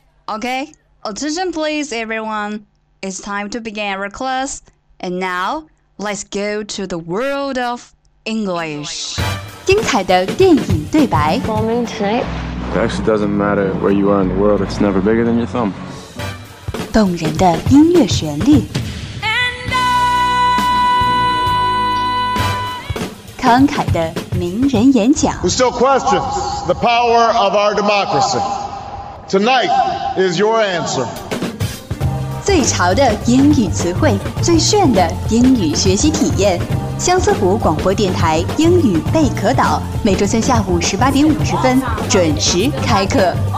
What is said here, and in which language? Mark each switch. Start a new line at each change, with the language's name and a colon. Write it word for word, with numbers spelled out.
English: Okay, attention please everyone. It's time to begin our class. And now, let's go to the world of English.
Chinese: 精彩的电影对白
English: Bombing tonight. It actually doesn't matter where you are in the world, it's never bigger than your thumb.
Chinese: 动人的音乐旋律
English: And I...
Chinese: 慷慨的名人演讲
English: Who still questions the power of our democracy. Tonight is your answer.
Chinese: 最潮的英语词汇，最炫的英语学习体验。相思湖广播电台英语贝壳岛，每周三下午十八点五十分准时开课。